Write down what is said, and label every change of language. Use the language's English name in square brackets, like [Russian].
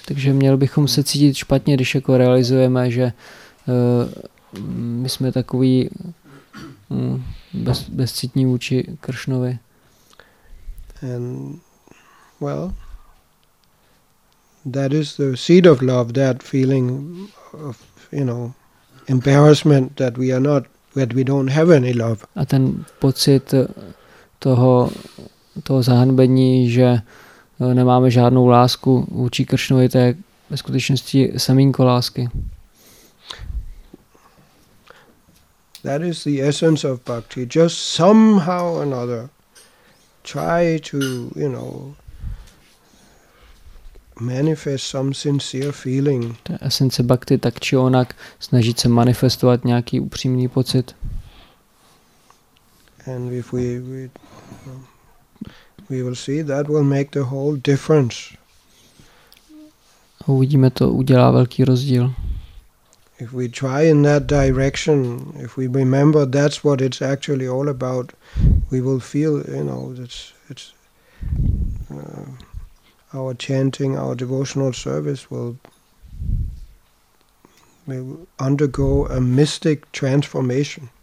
[Czech] Takže měli bychom se cítit špatně, když jako realizujeme, že my jsme takový bezcitní vůči Kršnovi. [English] And well, that is the seed of love, that feeling of, you know, embarrassment that we are not, that we don't have any love. [Czech] A ten pocit toho zahanbení, že nemáme žádnou lásku vůči Kršnovi, to je ve skutečnosti semínko lásky. [English] That is the essence of bhakti. Just somehow or another try to, you know, manifest some sincere feeling. [Czech] To je esence bhakti, tak či onak, snažit se manifestovat nějaký upřímný pocit. [English] And if we will see, that will make the whole difference. [Czech] Uvidíme, to udělá velký rozdíl. [English] If we try in that direction, if we remember that's what it's actually all about, we will feel, you know, it's our chanting, our devotional service will undergo a mystic transformation.